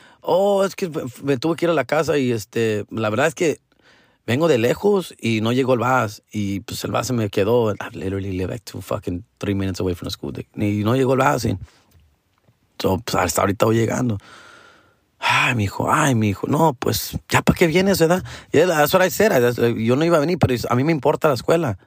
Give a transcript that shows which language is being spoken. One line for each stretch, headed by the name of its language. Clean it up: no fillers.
Spanish: Oh, es que me tuve que ir a la casa y la verdad es que vengo de lejos y no llegó el bus y pues el bus se me quedó.
English: I literally live like 2 fucking 3 minutes away from the school.
Spanish: Y no llegó el bus.
English: So,
Spanish: pues hasta ahorita voy llegando. Ay, mijo, no, pues, ¿ya para qué vienes, verdad?
English: Yeah, that's what I said.
Spanish: Yo no iba a venir, pero a mí me importa la escuela.